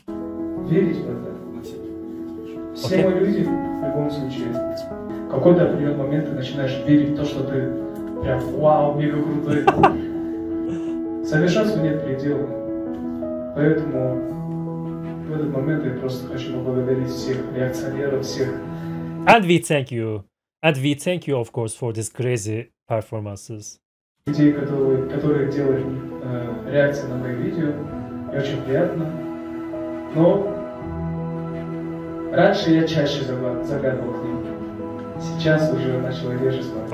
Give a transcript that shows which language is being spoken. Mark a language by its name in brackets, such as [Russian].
[English] Okay. [Russian] Все мы люди, в любом случае, в какой-то определенный момент ты начинаешь верить в то, что ты прям, вау, мега крутой. Совершенству нет предела. Поэтому в этот момент я просто хочу поблагодарить всех реакционеров, всех. [English] And we thank you. And we thank you, of course, for these crazy performances. [Russian] Людей, которые делали реакции на мои видео, мне очень приятно. Но раньше я чаще заглядывал к ним. Сейчас уже начал реже смотреть.